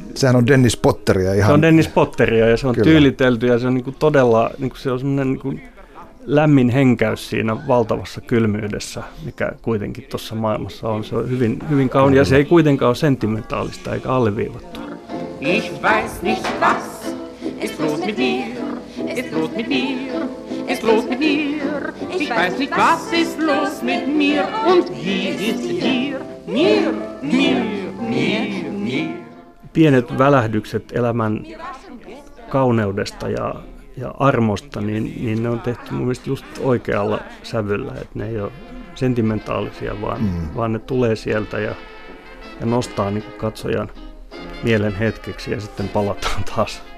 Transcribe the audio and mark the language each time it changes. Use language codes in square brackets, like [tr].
[fi] Sehän on Dennis Potteria ihan. Se on Dennis Potteria ja se on kyllä tyylitelty ja se on niin kuin todella, niin kuin se on semmoinen niin kuin lämmin henkäys siinä valtavassa kylmyydessä, mikä kuitenkin tuossa maailmassa on. Se on hyvin, hyvin kaunis ja se ei kuitenkaan ole sentimentaalista eikä alleviivattu. [de] Ich weiß nicht was, ist los mit dir, ist los mit dir, ist los mit dir. Ich weiß nicht was, ist los mit mir und wie ist dir, mir, mir, mir, mir. [fi] Pienet välähdykset elämän kauneudesta ja armosta, niin ne on tehty mun mielestä just oikealla sävyllä, että ne ei ole sentimentaalisia, vaan ne tulee sieltä ja nostaa niin kuin katsojan mielen hetkeksi ja sitten palataan taas.